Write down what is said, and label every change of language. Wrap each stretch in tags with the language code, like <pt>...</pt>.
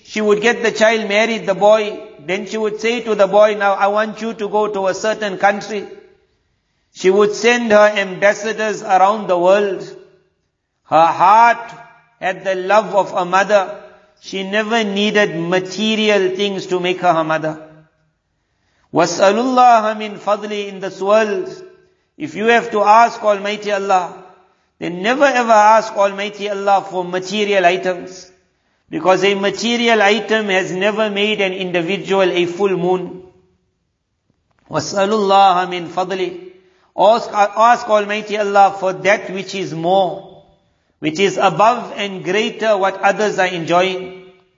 <en>She would get the child married, the boy. Then she would say to the boy, now I want you to go to a certain country. She would send her ambassadors around the world. Her heart had the love of a mother. She never needed material things to make her her mother.</en> <ar>وَاسْأَلُ اللَّهَ مِنْ فَضْلِ</ar> <en>in this world. If you have to ask Almighty Allah, then never ever ask Almighty Allah for material items. Because a material item has never made an individual a full moon.</en> <ar>وَاسْأَلُ اللَّهَ مِنْ فَضْلِ</ar> <en>ask Almighty Allah for that which is more, which is above and greater what others are enjoying.</en>